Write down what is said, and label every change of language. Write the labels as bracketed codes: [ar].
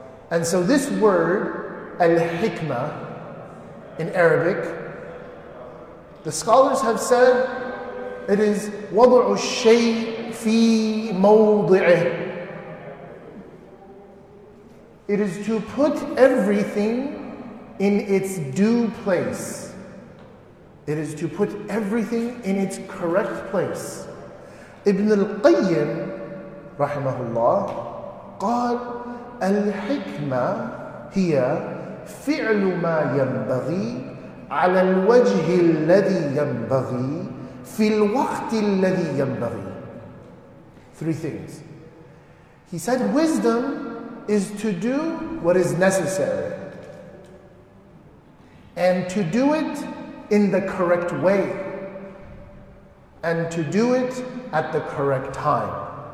[en] And so this word, al-hikmah, in Arabic, the scholars have said it is [ar] وَضُعُ الشَّيْءِ فِي مَوْضِعِهِ. [en] It is to put everything in its due place. It is to put everything in its correct place. [ar] Ibn al-Qayyim, rahimahullah, قال الحكمة هي فعل ما ينبغي على الوجه الذي ينبغي في الوقت الذي ينبغي. [en] Three things. He said wisdom is to do what is necessary and to do it in the correct way and to do it at the correct time.